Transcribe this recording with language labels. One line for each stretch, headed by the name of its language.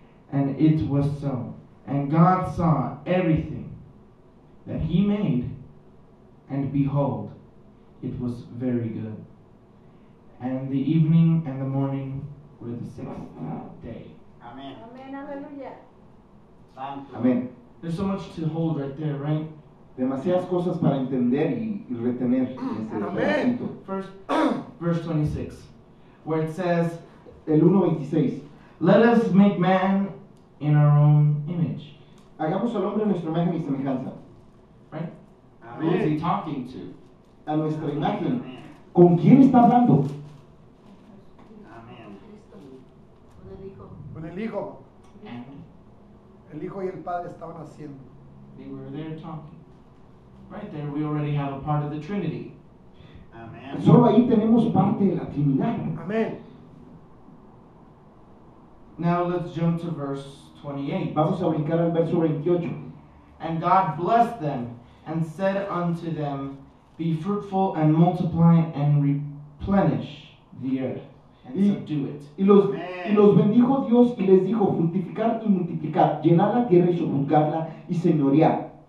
English: And it was so. And God saw everything that he made, and behold, it was very good. And the evening and the morning were the sixth day. Amen. Amen, hallelujah. Amen. There's so much to hold right there, right?
Spanish: Demasiadas cosas para entender y retener en este
English: Amen.
Spanish: Versículo.
English: First, verse 26, where it says,
Spanish: el 1:26,
English: let us make man in our own image.
Spanish: Hagamos al hombre nuestra imagen y semejanza.
English: Right? Amen. Who is he talking to?
Spanish: A nuestra Amen. Imagen. ¿Con quién está hablando? Amén. Con el Hijo. Con el Hijo.
English: Amen.
Spanish: El Hijo y el Padre estaban haciendo.
English: They were there talking. Right there, we already have a part of the Trinity. Amen.
Spanish: Solo ahí tenemos parte de la Trinidad.
English: Amen. Now let's jump to verse 28.
Spanish: Vamos a brincar al verso 28.
English: And God blessed them and said unto them, be fruitful and multiply and replenish the earth and subdue it.
Spanish: Y los bendijo Dios y les dijo, fructificar y multiplicar, llenar la tierra y sojuzgarla y señorear.